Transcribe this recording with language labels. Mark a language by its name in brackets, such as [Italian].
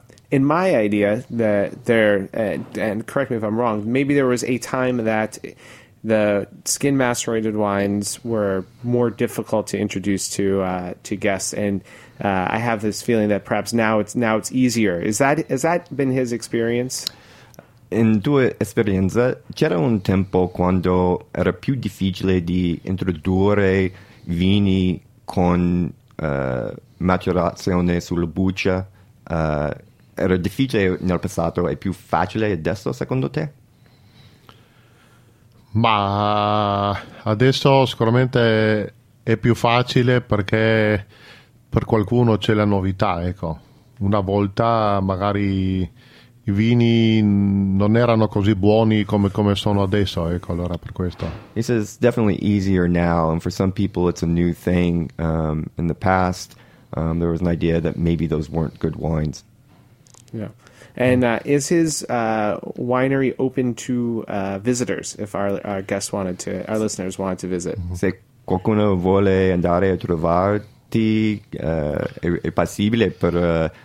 [English] In my idea, that there, and correct me if I'm wrong, maybe there was a time that the skin macerated wines were more difficult to introduce to guests. And I have this feeling that perhaps now it's easier. Has that been his experience? [Italian] In due esperienze, c'era un tempo quando era più difficile di introdurre vini con maturazione sulla buccia. Era difficile nel passato, è più facile adesso, secondo te? Ma adesso sicuramente è più facile, perché per qualcuno c'è la novità, ecco. Una volta magari i vini non erano così buoni come sono adesso, ecco, allora per questo. [English] He says it's definitely easier now, and for some people it's a new thing. In the past, there was an idea that maybe those weren't good wines. Yeah. And is his winery open to visitors, if our guests wanted to, our listeners wanted to visit? [Italian] Se qualcuno vuole andare a trovarti, è possibile per...